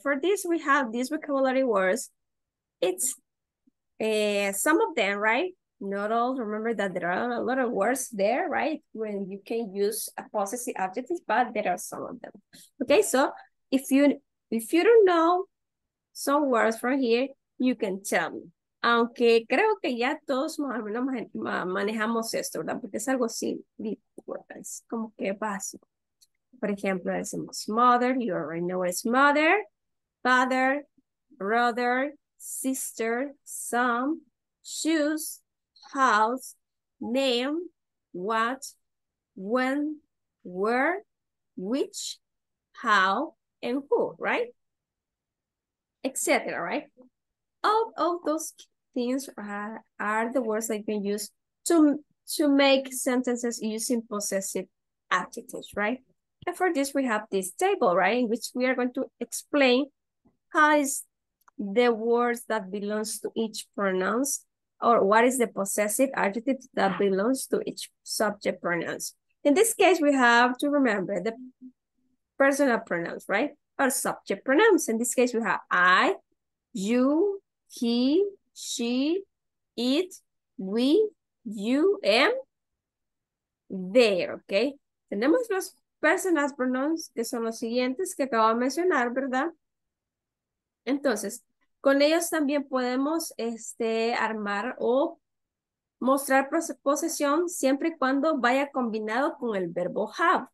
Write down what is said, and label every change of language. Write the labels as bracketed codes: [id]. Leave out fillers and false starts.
[en] For this, we have these vocabulary words. It's some of them, right? Not all, remember that there are a lot of words there, right? When you can use a possessive adjective, but there are some of them. Okay, so if you don't know some words from here, you can tell me. [es] Aunque creo que ya todos más o menos manejamos esto, ¿verdad? Porque es algo simple, es como que básico. Por ejemplo, decimos [en] mother, you already know it's mother, father, brother, sister, son, shoes, house, name, what, when, where, which, how, and who, right? Etc., right? All those things are the words that you can use to make sentences using possessive adjectives, right? And for this, we have this table, right? In which we are going to explain how is the words that belongs to each pronoun, or what is the possessive adjective that belongs to each subject pronoun. In this case, we have to remember the personal pronouns, right? Or subject pronouns. In this case, we have I, you, he, she, it, we, you, and they, okay? [es] Tenemos los personal pronouns que son los siguientes que acabo de mencionar, ¿verdad? Entonces, con ellos también podemos armar o mostrar posesión siempre y cuando vaya combinado con el verbo have.